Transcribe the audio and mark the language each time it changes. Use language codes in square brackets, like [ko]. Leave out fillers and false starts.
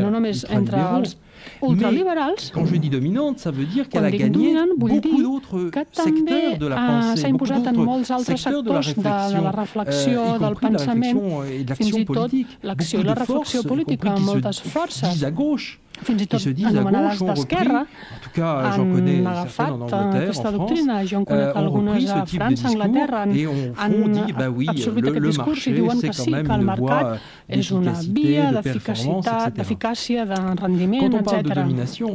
[ca] no només entre els ultraliberals, [fr] quand je dis dominante, ça veut dire qu'elle a gagné beaucoup d'autres secteurs de la pensée, [ca] s'ha imposat en molts altres sectors de la reflexió, del pensament, fins i tot l'acció i la reflexió política amb moltes forces. fins i tot anomenades d'esquerra, han agafat aquesta doctrina, jo en conec algunes a França, Anglaterra, han absorbit aquest discurs i diuen que sí, que el mercat és una via d'eficàcia, de rendiment, etc.